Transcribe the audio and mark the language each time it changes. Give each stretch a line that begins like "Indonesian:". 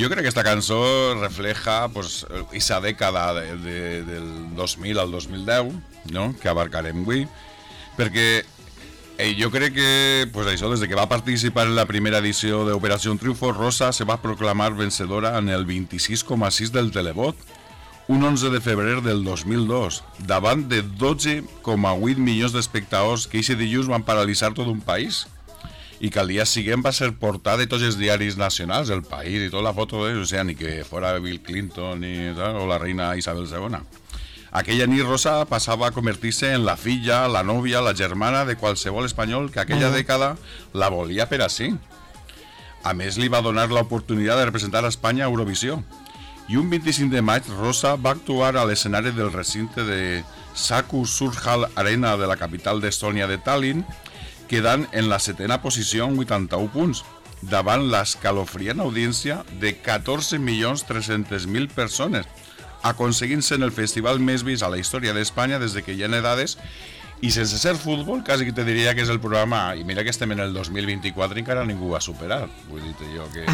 Catalan: Jo crec que aquesta cançó refleja aquesta dècada del 2000 al 2010, no?, que abarcarem avui, perquè...
Spanish: Yo creo que, pues eso, desde que va a participar en la primera edición de Operación Triunfo, Rosa se va a proclamar vencedora en el 26,6 del Televot, un 11 de febrero del 2002,
Catalan: davant de
Spanish: 12,8 millones de espectadores que ese dilluns van a paralizar todo un país. Y que al día siguiente va a ser portada de todos los diarios nacionales del país y toda la foto, o sea, ni que fuera Bill Clinton y tal, o la reina Isabel II.
Catalan: Aquella nit Rosa passava a convertir-se en la filla, la nòvia, la germana de qualsevol espanyol que aquella dècada la volia per a si. A més, li va donar l'oportunitat de representar a Espanya a Eurovisió. I un 25 de maig, Rosa va actuar a l'escenari del recinte de Saku Surhal Arena de la capital d'Estònia de Tallinn, quedant en la setena posició amb 81 punts, davant l'escalofriant audiència de 14.300.000 persones, aconseguint ser el festival més vist a la història d'Espanya des que hi ha edades, i sense ser futbol, quasi que te diria que és el programa, i mira que estem en el 2024 i encara ningú ho ha superat, vull dir jo que...